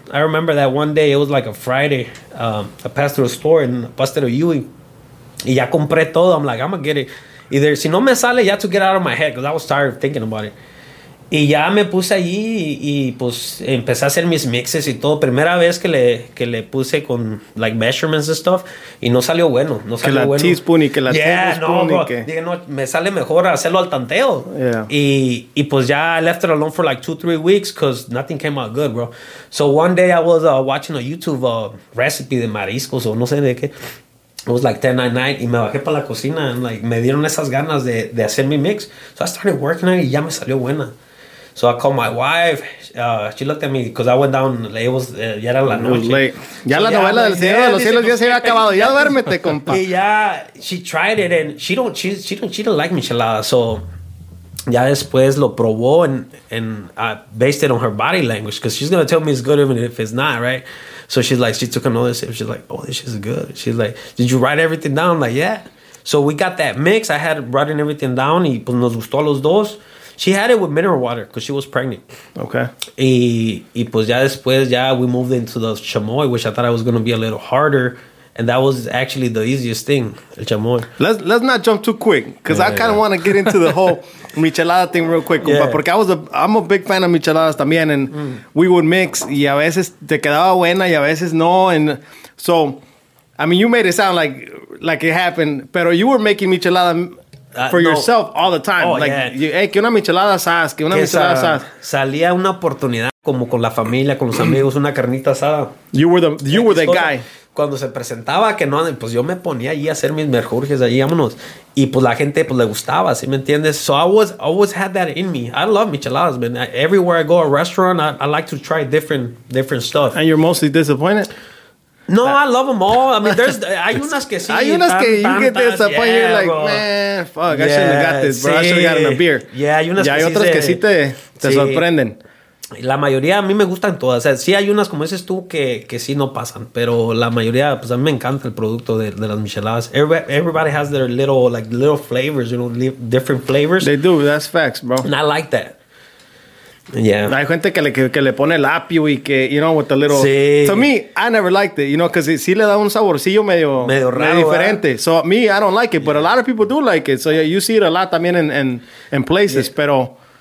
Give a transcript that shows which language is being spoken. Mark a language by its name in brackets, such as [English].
[English] I remember that one day, it was like a Friday. I passed through a store and busted a Yui. [Spanish] Y ya compré todo. [English] I'm like, I'm going to get it. Either, [Spanish] si no me sale, [English] ya to get out of my head. Because I was tired of thinking about it. [Spanish] Y ya me puse allí y pues empecé a hacer mis mixes y todo. Primera vez que le puse con [English] like measurements and stuff. [Spanish] Y no salió bueno. No salió bueno. Que la teaspoon y que la [English] teaspoon. Yeah, no, que... [Spanish] Dije, no, me sale mejor hacerlo al tanteo. [English] Yeah. [Spanish] Y pues ya [English] I left it alone for like 2-3 weeks because nothing came out good, bro. So one day I was watching a YouTube recipe [Spanish] de mariscos o no sé de qué. [English] It was like 10:99 [Spanish] y me bajé para la cocina [English] and like [Spanish] me dieron esas ganas de hacer mi mix. [English] So I started working on it [Spanish] y ya me salió buena. [English] So I called my wife. She looked at me because I went down. [Spanish] Ya era la noche. [English] Late. [Spanish] Ya so la novela del Señor de los Cielos ya se había acabado. Ya duérmete, compa. [English] Y ya, she tried it and she don't like micheladas. So [Spanish] ya después lo probó [English] and I based it on her body language because she's going to tell me it's good even if it's not, right? So she's like, she took another sip. She's like, oh, this is good. She's like, did you write everything down? I'm like, yeah. So we got that mix. I had written everything down. [Spanish] Y pues nos gustó a los dos. [English] She had it with mineral water because she was pregnant. Okay. [Spanish] Y pues ya después, ya [English] we moved into the chamoy, which I thought I was going to be a little harder. And that was actually the easiest thing, el chamoy. Let's not jump too quick because I kind of want to get into the whole michelada thing real quick. Yeah. Compa, porque I'm a big fan of micheladas también. And we would mix. [Spanish] Y a veces te quedaba buena y a veces no. [English] And so, I mean, you made it sound like it happened. Pero you were making michelada for yourself all the time. Oh, like, yeah. [Spanish] Que una michelada asada. Que una michelada asada. Salía una oportunidad como con la familia, con los amigos, una carnita asada. [English] You were the guy. [Spanish] Cuando se presentaba que no, pues yo me ponía allí a hacer mis merjurjes allí, vámonos. Y pues la gente pues le gustaba, ¿sí me entiendes? [English] So I was always had that in me. I love micheladas, man. Everywhere I go, a restaurant, I like to try different stuff. And you're mostly disappointed? No, I love them all. I mean, there's [Spanish] hay unas que sí. Hay unas que [English] you get disappointed, yeah, like, bro. Man, fuck, yeah, I shouldn't have got this, bro. Sí. I should have gotten a beer. [Spanish] Yeah, hay unas que hay sí, otras que sí te sí sorprenden. La mayoría a mí me gustan todas. O sea, sí hay unas, como dices tú, que sí no pasan. Pero la mayoría, pues a mí me encanta el producto de las micheladas. [English] Everybody has their little flavors, you know, different flavors. They do, that's facts, bro. And I like that. Yeah. [Spanish] Hay gente que le pone el apio y que, [English] you know, with a little... [Spanish] Sí. [English] To me, I never liked it, you know, because [Spanish] sí le da un saborcillo medio raro, medio diferente. ¿Verdad? [English] So, me, I don't like it, but a lot of people do like it. So, yeah, you see it a lot también in places, yeah. Pero...